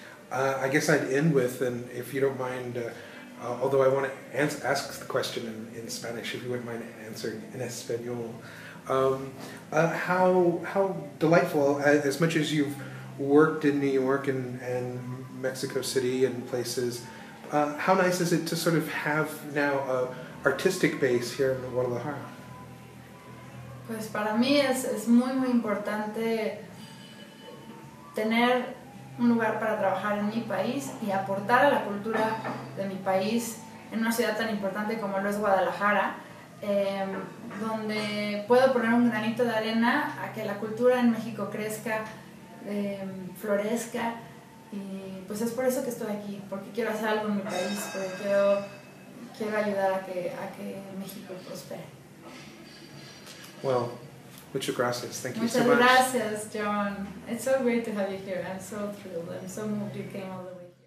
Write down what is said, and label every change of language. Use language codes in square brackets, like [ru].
[en] I guess I'd end with, and if you don't mind, although I want to ask the question in Spanish, if you wouldn't mind answering in Espanol. How delightful, as much as you've worked in New York and Mexico City and places, how nice is it to sort of have now a artistic base here in Guadalajara? [es] Pues para mí es muy muy importante tener un lugar para trabajar en mi país y aportar a la cultura de mi país en una ciudad tan importante como lo es Guadalajara. Donde puedo poner un granito de arena a que la cultura en México crezca, florezca, y pues es por eso que estoy aquí, porque quiero hacer algo en mi país, porque quiero ayudar a que México prospere. [en] Well, [es] muchas gracias. [en] Thank you [es] muchas [en] so much. Gracias, John. It's so great to have you here. I'm so thrilled. I'm so moved you came all the way.